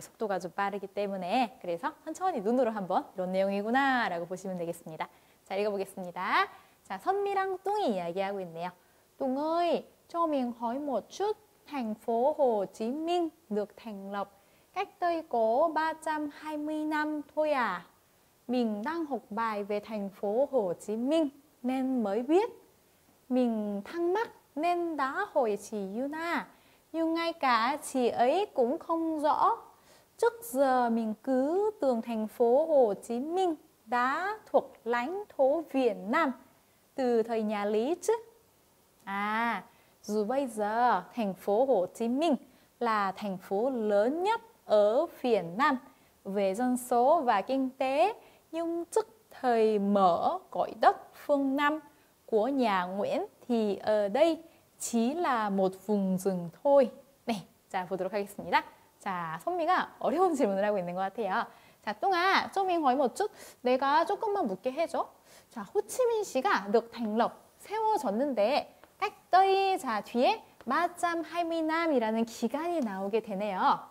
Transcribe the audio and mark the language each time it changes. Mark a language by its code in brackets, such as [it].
[ko] 속도가 좀 빠르기 때문에. 그래서 천천히 눈으로 한번 이런 내용이구나라고 보시면 되겠습니다. 자, 읽어보겠습니다. 자, 선미랑 뚱이 이야기하고 있네요. [vi] 뚱의 처음인 허이모춧 행포호 지밍 늑 탱럽 Cách đây có 320 năm thôi à. Mình đang học bài về thành phố Hồ Chí Minh nên mới biết. Mình thắc mắc nên đã hỏi chị Yuna. Nhưng ngay cả chị ấy cũng không rõ. Trước giờ mình cứ tưởng thành phố Hồ Chí Minh đã thuộc lãnh thổ Việt Nam từ thời nhà Lý chứ. À, dù bây giờ thành phố Hồ Chí Minh là thành phố lớn nhất ở Việt Nam về dân số và kinh tế, nhưng trước thời mở gọi đất phương Nam của nhà Nguyễn thì ở đây chỉ là một vùng rừng thôi. [ko] 네, 자 보도록 하겠습니다. 자, 선미가 어려운 질문을 하고 있는 것 같아요. 자, 뚱아, 좀이 거의 뭐 쭉, 내가 조금만 묻게 해줘. 자, 호치민시가 늑 탱럽 세워졌는데, 깍떠이 자 뒤에 마짬 하이미남이라는 기간이 나오게 되네요.